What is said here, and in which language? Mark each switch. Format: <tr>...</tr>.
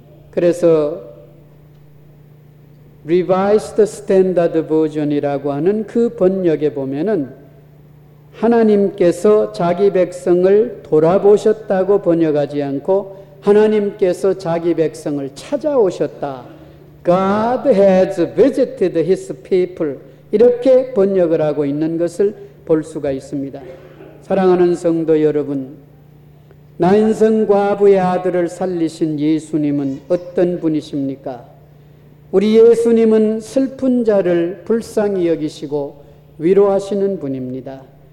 <ko>그래서 Revised Standard Version이라고 하는 그 번역에 보면은 하나님께서 자기 백성을 돌아보셨다고 번역하지 않고 하나님께서 자기 백성을 찾아오셨다.</ko> <en>God has visited his people.</en> <ko>이렇게 번역을 하고 있는 것을 볼 수가 있습니다. 사랑하는 성도 여러분, 난생과부의 아들을 살리신 예수님은 어떤 분이십니까? 우리 예수님은 슬픈 자를 불쌍히 여기시고 위로하시는 분입니다.</ko>